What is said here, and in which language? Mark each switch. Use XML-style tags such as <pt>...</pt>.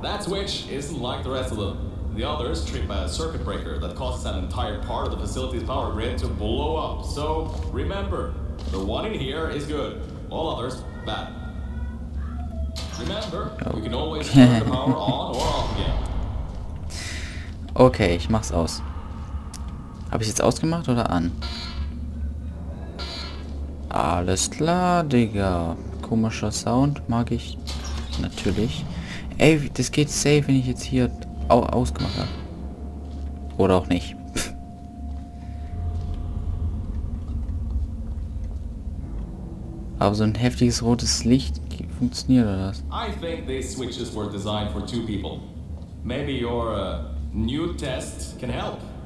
<en>That switch isn't like the rest of them. The others trip a circuit breaker that causes an entire part of the facility's power grid to blow up. So, remember, the one in here is good. All others, bad. Remember, you can always turn the power on or off again.</en> <de>Okay, ich mach's aus. Habe ich jetzt ausgemacht oder an? Alles klar, Digga. Komischer Sound, mag ich natürlich. Ey, das geht safe, wenn ich jetzt hier ausgemacht habe. Oder auch nicht. Aber so ein heftiges rotes Licht funktioniert oder was?</de> <en>I think these switches were designed for two people. Maybe your new test can help.</en>